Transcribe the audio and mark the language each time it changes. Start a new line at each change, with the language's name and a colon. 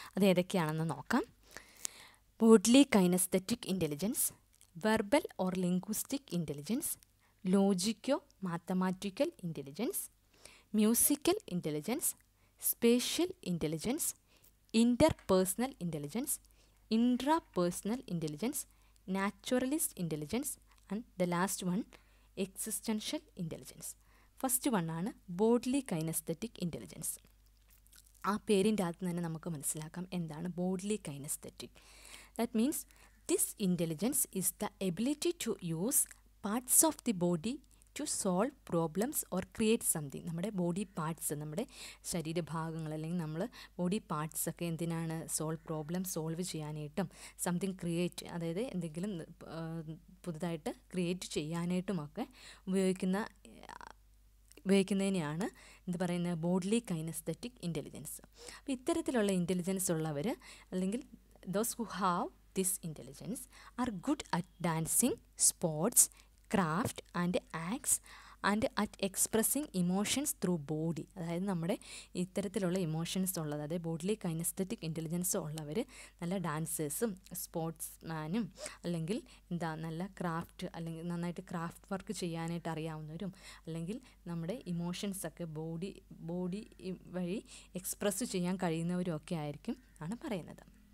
Malayalam: അത് ഏതൊക്കെയാണെന്ന് നോക്കാം.
English: Bodily kinesthetic intelligence, verbal or linguistic intelligence, logico mathematical intelligence, musical intelligence, spatial intelligence, interpersonal intelligence, intrapersonal intelligence, naturalist intelligence and the last one existential intelligence.
Malayalam: First വണ്ണാണ് bodily kinesthetic intelligence. ആ പേരിൻ്റെ അകത്ത് തന്നെ നമുക്ക് മനസ്സിലാക്കാം എന്താണ് bodily kinesthetic.
English: That means this intelligence is the ability to use parts of the body to solve problems or create something.
Malayalam: നമ്മുടെ body parts, നമ്മുടെ ശരീരഭാഗങ്ങൾ അല്ലെങ്കിൽ നമ്മൾ ബോഡി പാർട്സൊക്കെ എന്തിനാണ് സോൾവ് പ്രോബ്ലം സോൾവ് ചെയ്യാനായിട്ടും സംതിങ് ക്രിയേറ്റ്, അതായത് എന്തെങ്കിലും പുതുതായിട്ട് ക്രിയേറ്റ് ചെയ്യാനായിട്ടുമൊക്കെ ഉപയോഗിക്കുന്നതിനെയാണ് എന്ത് പറയുന്നത് ബോഡിലി കൈനസ്തെറ്റിക് ഇൻ്റലിജൻസ്. അപ്പോൾ ഇത്തരത്തിലുള്ള ഇൻ്റലിജൻസ് ഉള്ളവർ അല്ലെങ്കിൽ
English: those who have this intelligence are good at dancing, sports, craft and acts and at expressing emotions through body.
Malayalam: അതായത് നമ്മുടെ ഇത്തരത്തിലുള്ള ഇമോഷൻസ് ഉള്ളത്, അതായത് ബോഡിലി കൈനസ്തെറ്റിക് ഇൻ്റലിജൻസ് ഉള്ളവർ നല്ല ഡാൻസേഴ്സും സ്പോർട്സ്മാനും അല്ലെങ്കിൽ എന്താ നല്ല ക്രാഫ്റ്റ് അല്ലെങ്കിൽ നന്നായിട്ട് ക്രാഫ്റ്റ് വർക്ക് ചെയ്യാനായിട്ട് അറിയാവുന്നവരും അല്ലെങ്കിൽ നമ്മുടെ ഇമോഷൻസൊക്കെ ബോഡി വഴി എക്സ്പ്രസ് ചെയ്യാൻ കഴിയുന്നവരും ഒക്കെ ആയിരിക്കും ആണ് പറയുന്നത്.